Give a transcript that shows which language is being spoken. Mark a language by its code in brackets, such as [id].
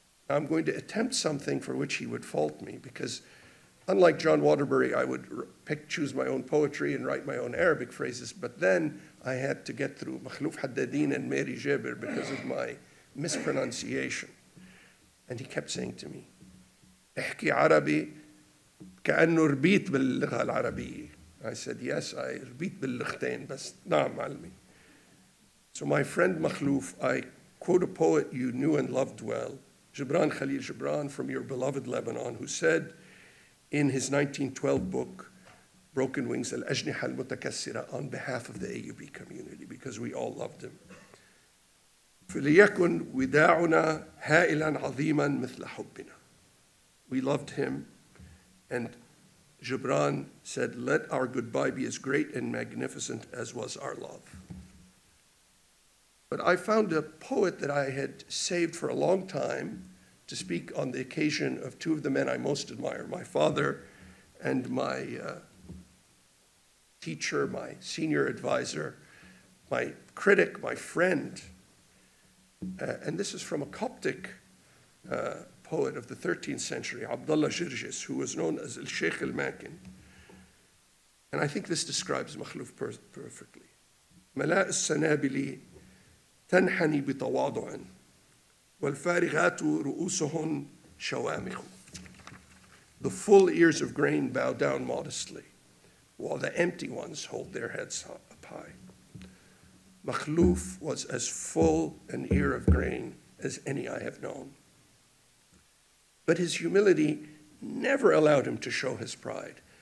[en] I'm going to attempt something for which he would fault me, because unlike John Waterbury, I would choose my own poetry and write my own Arabic phrases, but then I had to get through Makhlouf Haddadin and Mary Jaber because of my mispronunciation. And he kept saying to me, [ar] احكي عربي كأنه ربيت باللغة العربية. [en] I said yes, I [ar] ربيت باللغتين بس نعم علمي. [en] So my friend Makhlouf, I quote a poet you knew and loved well, Gibran Khalil Gibran from your beloved Lebanon, who said in his 1912 book, Broken Wings, Al-Ajniha Al-Mutakassira, on behalf of the AUB community, because we all loved him. [ar] فليكن وداعنا هائلا عظيما مثل حبنا. [en] We loved him, and Gibran said, let our goodbye be as great and magnificent as was our love. But I found a poet that I had saved for a long time to speak on the occasion of two of the men I most admire, my father and my teacher, my senior advisor, my critic, my friend. And this is from a Coptic poet of the 13th century, Abdullah Jirjis, who was known as Al-Sheikh Al-Makin. And I think this describes Makhlouf perfectly. [ar] ملأ السنابلي تنحني بتواضع والفارغات رؤوسهن شوامخ. [en] The full ears of grain bow down modestly while the empty ones hold their heads up high. Makhlouf was as full an ear of grain as any I have known. But his humility never allowed him to show his pride.